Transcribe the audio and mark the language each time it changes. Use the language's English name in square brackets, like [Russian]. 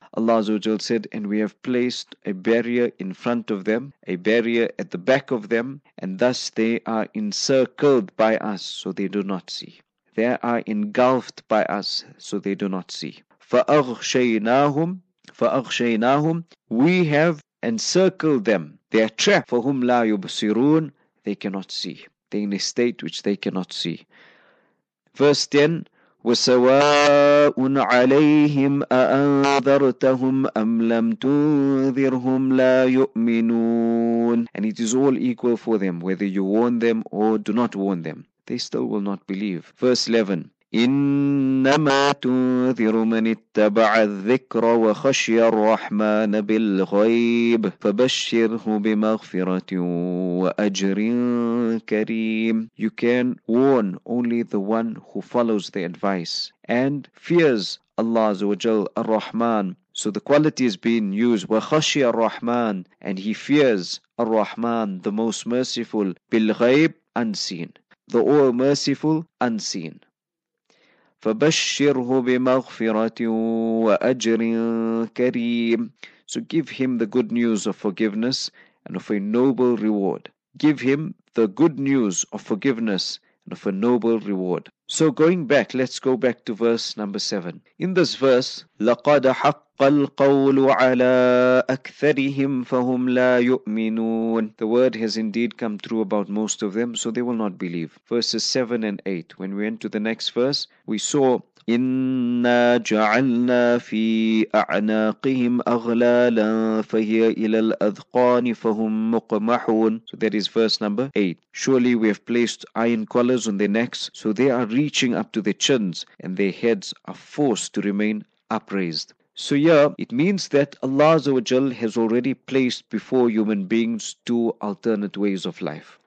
[English] Allah Azza wa Jal said, and we have placed a barrier in front of them, a barrier at the back of them, and thus they are encircled by us, so they do not see. They are engulfed by us, so they do not see. [Arabic] فَأَغْشَيْنَاهُمْ, فَأَغْشَيْنَاهُمْ, [English] we have encircled them. They are trapped. [Arabic] فَهُمْ لَا يُبْصِرُونَ, [English] they cannot see. They are in a state which they cannot see. Verse 10, [Arabic] وَسَوَاءٌ عَلَيْهِمْ أَأَنذَرْتَهُمْ أَمْ لَمْ تُنذِرْهُمْ لَا يُؤْمِنُونَ. [English] And it is all equal for them, whether you warn them or do not warn them. They still will not believe. Verse 11, [Arabic] إنما تنذر من اتبع الذكر وخشي الرحمن بالغيب فبشره بمغفرة وأجر كريم. [English] You can warn only the one who follows the advice and fears Allah Azza wa Jal, Ar-Rahman. So the quality is being used, [Arabic] وخشي الرحمن, [English] and he fears Ar-Rahman, the most merciful, بالغيب, unseen, the all merciful, unseen. [Arabic] فَبَشِّرْهُ بِمَغْفِرَةٍ وَأَجْرٍ كَرِيمٍ. [English] So give him the good news of forgiveness and of a noble reward. Give him the good news of forgiveness and of a noble reward. So going back, let's go back to verse number 7. In this verse, [Arabic] لَقَدْ حَقَّ فالقول على أكثرهم فهم لا يؤمنون. [English] The word has indeed come true about most of them, so they will not believe. Verses 7 and 8. When we went to the next verse, we saw, [Arabic] إِنَّا جَعَلْنَا فِي أَعْنَاقِهِمْ أَغْلَالًا فَهِيَ إِلَى الْأَذْقَانِ فَهُمْ مُقْمَحُونَ. [English] So that is verse number 8. Surely we have placed iron collars on their necks, so they are reaching up to their chins, and their heads are forced to remain upraised. So yeah, it means that Allah has already placed before human beings two alternate ways of life.